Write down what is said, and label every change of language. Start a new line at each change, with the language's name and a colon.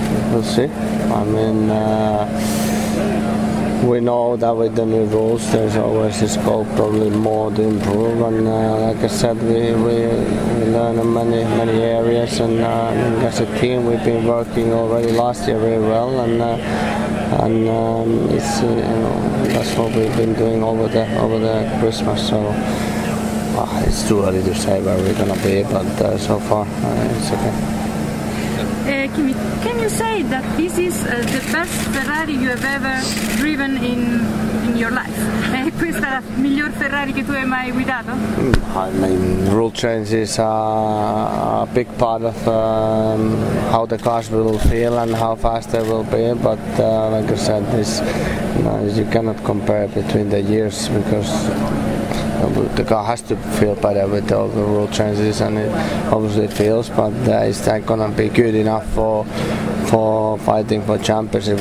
English: We'll see. I mean, we know that with the new rules there's always a scope probably more to improve, and like I said, we learn in many areas, and as a team we've been working already last year very well, and it's you know, that's what we've been doing over the Christmas, so it's too early to say where we're gonna be, but so far it's okay. Kimi, can you say that this is the best Ferrari you have ever driven in your life?
Italian: Questa miglior Ferrari che tu hai mai guidato?
English: I mean, rule changes are a big part of how the cars will feel and how fast they will be, but like I said, this, you know, you cannot compare between the years, because the car has to feel better with all the rule changes, and it obviously feels, but is that going to be good enough for fighting for championship?